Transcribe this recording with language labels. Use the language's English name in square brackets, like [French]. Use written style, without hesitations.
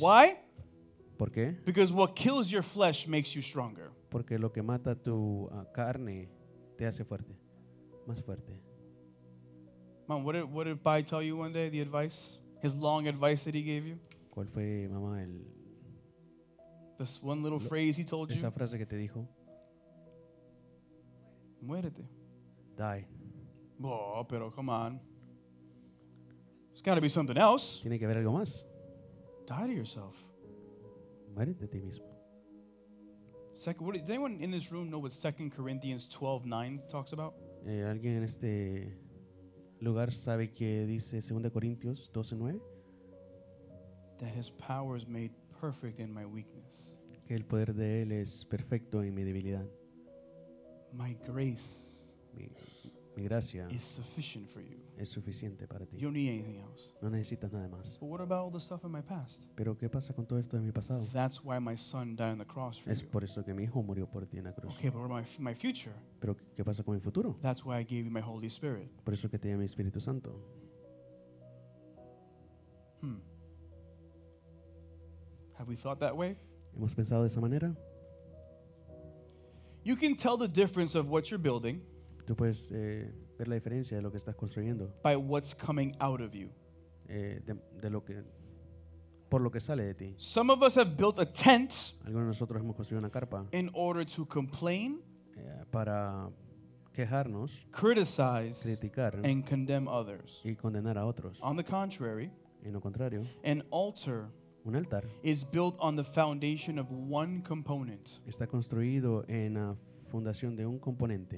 [English] Why? [Spanish] ¿Por qué? [English] Because what kills your flesh makes you stronger. [Spanish] Porque lo que mata tu carne te hace fuerte. Más fuerte. [English] Mom, what did Pai tell you one day, the advice? His long advice that he gave you? [Spanish] ¿Cuál fue, mamá, el, [English] this one little lo, phrase he told [Spanish] esa [English] you? [Spanish] Frase que te dijo. Muérete. [English] Die. Oh, pero come on. It's got to be something else. [Spanish] Tiene que haber algo más. [English] Die to yourself. [Spanish] Muérete a ti mismo. [English] Does anyone in this room know what 2 Corinthians 12:9 talks about? [Spanish] Alguien en este lugar sabe que dice 2 Corintios 12:9 [English] that his power is made perfect in my weakness. [Spanish] Que el poder de él es perfecto en mi debilidad. My grace, mi gracia, [English] is sufficient for you. [Spanish] Es suficiente para ti. [English] You don't need anything else. [Spanish] No necesitas nada más. [English] But what about all the stuff in my past? [Spanish] Pero qué pasa con todo esto de mi pasado? [English] That's why my son died on the cross for [Spanish] es [English] you. [Spanish] Por eso que mi hijo murió por ti en la cruz. [English] Okay, but what about my future? [Spanish] Pero qué pasa con mi futuro? [English] That's why I gave you my Holy Spirit. [Spanish] Por eso que te di mi Espíritu Santo. [English] Have we thought that way? [Spanish] ¿Hemos pensado de esa manera? [English] You can tell the difference of what you're building. [Spanish] Tú puedes ver la diferencia de lo que estás construyendo. [English] By what's coming out of you. [Spanish] De lo que por lo que sale de ti. [English] Some of us have built a tent. [Spanish] Algunos de nosotros hemos construido una carpa. [English] In order to complain. [Spanish] Para quejarnos. [English] Criticize. [Spanish] Criticar. [English] And condemn others. [Spanish] Y condenar a otros. [English] On the contrary. [Spanish] En lo contrario. [English] An altar. [Spanish] Un altar. [English] Is built on the foundation of one component. [Spanish] Está construido en la fundación de un componente.